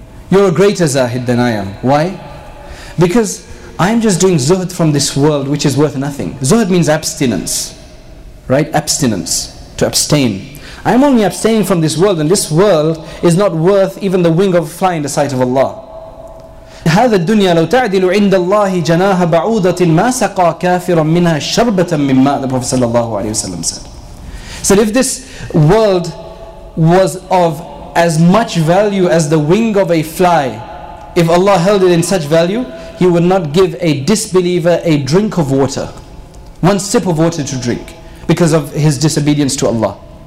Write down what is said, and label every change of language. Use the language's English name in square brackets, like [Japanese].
[English] You're a greater zahid than I am." Why? Because I'm just doing zuhd from this world, which is worth nothing. Zuhd means abstinence, right? Abstinence, to abstain. I'm only abstaining from this world, and this world is not worth even the wing of a fly in the sight of Allah. [Arabic] هذا الدنيا لو تعدل عند الله جناها بعوضة ما سقى كافرا منها شربة من ماء. [English] The Prophet صلى الله عليه وسلم said. So if this world was of as much value as the wing of a fly, if Allah held it in such value, He would not give a disbeliever a drink of water, one sip of water to drink, because of his disobedience to Allah.